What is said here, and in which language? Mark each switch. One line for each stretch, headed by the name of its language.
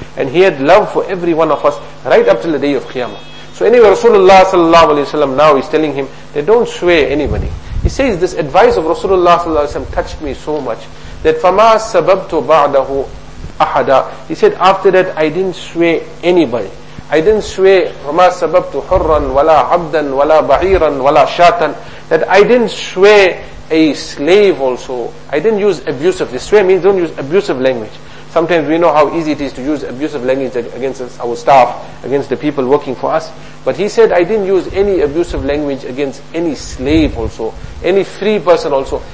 English: And he had love for every one of us right up till the day of Qiyamah. So anyway, Rasulullah sallallahu alayhi wa sallam now is telling him, they don't swear anybody. He says, this advice of Rasulullah sallallahu alayhi wa sallam touched me so much that
Arabic: فَمَا سَبَبْتُ بَعْدَهُ أَحَدًا.
English: He said, after that, I didn't swear anybody. I didn't swear
Arabic: فَمَا سَبَبْتُ حُرًّا وَلَا عَبْدًا وَلَا بَعِيرًا وَلَا شَاتًا.
English: That I didn't swear a slave also. I didn't use abusive. The swear means don't use abusive language. Sometimes we know how easy it is to use abusive language against our staff, against the people working for us. But he said, I didn't use any abusive language against any slave also, any free person also.